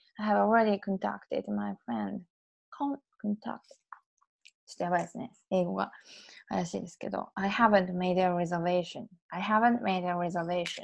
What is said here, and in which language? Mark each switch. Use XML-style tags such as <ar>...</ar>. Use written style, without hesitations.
<en>I have already contacted my friend. Contact.</en> <ja>ちょっとやばいですね。英語が怪しいですけど。</ja> <en>I haven't made a reservation.</en>